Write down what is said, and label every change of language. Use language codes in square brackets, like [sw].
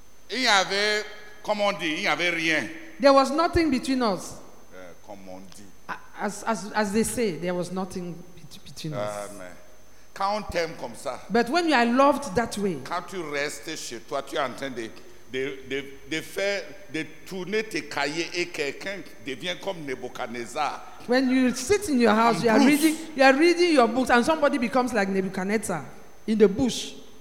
[fr] Il y avait, comme on dit, il n'y avait rien. [en] There was nothing between us. [fr] Comme on dit. [en] As they say, there was nothing between us. [fr] Amen. Quand on t'aime comme ça. [en] But when you are loved that way. [fr] Quand tu restes chez toi, tu entendais. De tourner tes cahiers et quelqu'un devient comme Nebuchadnezzar. [en] When you sit in your house, you are reading your books, and somebody becomes like Nebuchadnezzar in the bush.